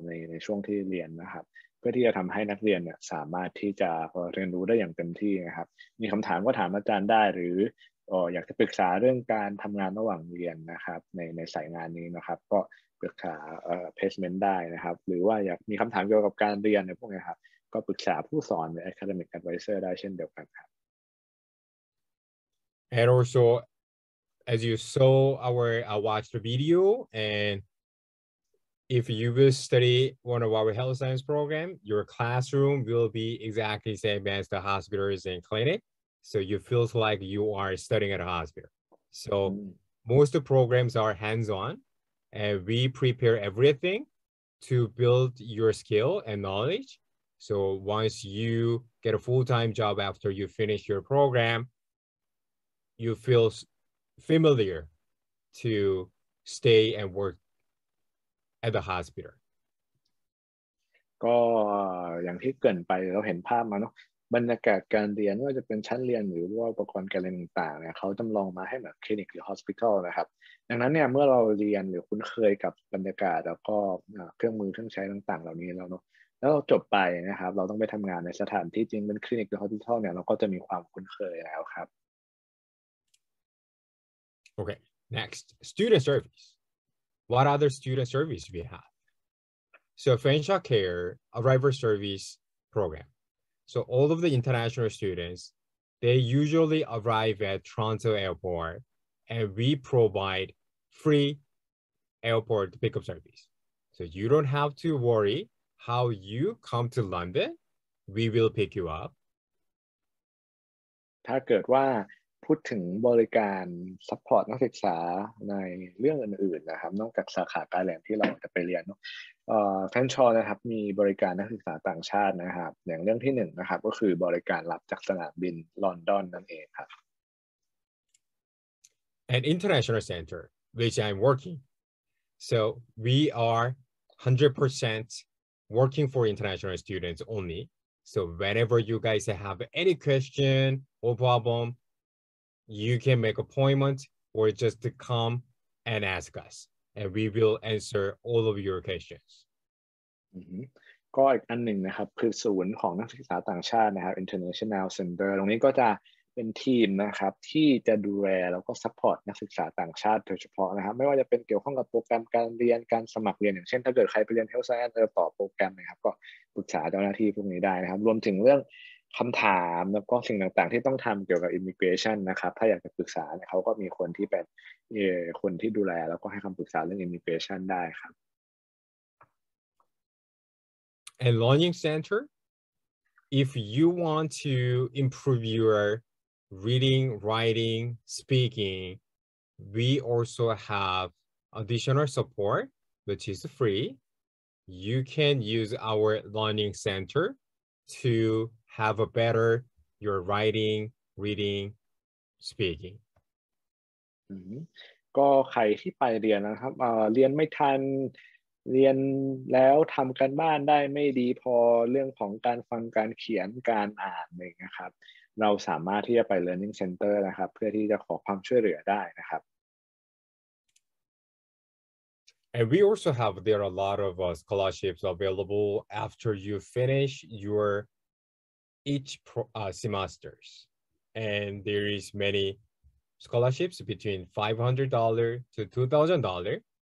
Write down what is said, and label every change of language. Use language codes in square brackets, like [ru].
[th] ในช่วงที่เรียนนะครับเพื่อที่จะทำให้นักเรียนเนี่ยสามารถที่จะเรียนรู้ได้อย่างเต็มที่นะครับมีคำถามก็ถามอาจารย์ได้หรืออยากจะปรึกษาเรื่องการทำงานระหว่างเรียนนะครับในสายงานนี้นะครับก็ปรึกษาplacement ได้นะครับหรือว่าอยากมีคำถามเกี่ยวกับการเรียนในพวกนี้ครับก็ปรึกษาผู้สอนหรือ academic advisor ได้เช่นเดียวกันครับ [en] And also as you saw watched the video andIf you will study one of our health science program, your classroom will be exactly the same as the hospitals and clinic. So you feel like you are studying at a hospital. So most of the programs are hands-on and we prepare everything to build your skill and knowledge. So once you get a full-time job after you finish your program, you feel familiar to stay and workat the hospital [th] ก็อย่างที่เกริ่นไปเราเห็นภาพมาเนาะบรรยากาศการเรียนไม่ว่าจะเป็นชั้นเรียนหรือว่าอุปกรณ์การเรียนต่างๆเนี่ยเขาจำลองมาให้แบบคลินิกหรือฮอสปิทอลนะครับดังนั้นเนี่ยเมื่อเราเรียนหรือคุ้นเคยกับบรรยากาศแล้วก็เครื่องมือเครื่องใช้ต่างๆเหล่านี้แล้วเนาะแล้วเราจบไปนะครับเราต้องไปทำงานในสถานที่จริงเป็นคลินิกหรือฮอสปิทอลเนี่ยเราก็จะมีความคุ้นเคยแล้วครับ [en] โอเค next student serviceWhat other student service we have? So Fanshawe Care Arrival Service Program. So all of the international students, they usually arrive at Toronto Airport and we provide free airport pickup service. So you don't have to worry how you come to London. We will pick you up. [th] ถ้าเกิดว่าพูดถึงบริการซัพพอร์ตนักศึกษาในเรื่องอื่นๆนะครับนอกจากสาขาการเรียนที่เราจะไปเรียนเนาะแฟนชอนะครับมีบริการนักศึกษาต่างชาตินะครับอย่างเรื่องที่หนึ่งนะครับก็คือบริการรับจากสนามบินลอนดอนนั่นเองครับ [en] An international center which I'm working so we are 100% working for international students only so whenever you guys have any question or problemYou can make appointment or just to come and ask us, and we will answer all of your questions. [th] ก็อีกอันหนึ่งนะครับคือศูนย์ของนักศึกษาต่างชาตินะครับ International Center ตรงนี้ก็จะเป็นทีมนะครับที่จะดูแลแล้วก็ซัพพอร์ตนักศึกษาต่างชาติโดยเฉพาะนะครับไม่ว่าจะเป็นเกี่ยวข้องกับโปรแกรมการเรียนการสมัครเรียนอย่างเช่นถ้าเกิดใครไปเรียน Health Science ต่อโปรแกรมนะครับก็ปรึกษาเจ้าหน้าที่พวกนี้ได้นะครับรวมถึงเรื่องคำถามแล้วก็สิ่งต่างๆที่ต้องทำเกี่ยวกับ immigration นะครับถ้าอยากจะปรึกษาเนี่ยเขาก็มีคนที่เป็นคนที่ดูแลแล้วก็ให้คำปรึกษาเรื่อง immigration ได้ครับ [en] And Learning Center if you want to improve your reading, writing, speaking we also have additional support which is free you can use our Learning Center toHave a better your writing, reading, speaking. [th] ก็ใครที่ไปเรียนนะครับเรียนไม่ทันเรียนแล้วทำการบ้านได้ไม่ดีพอเรื่องของการฟังการเขียนการอ่านเองนะครับเราสามารถที่จะไป Learning Center นะครับเพื่อที่จะขอความช่วยเหลือได้นะครับ [en] And we also have there a lot of scholarships available after you finish yourEach semesters, and there is many scholarships between $500 to $2,000.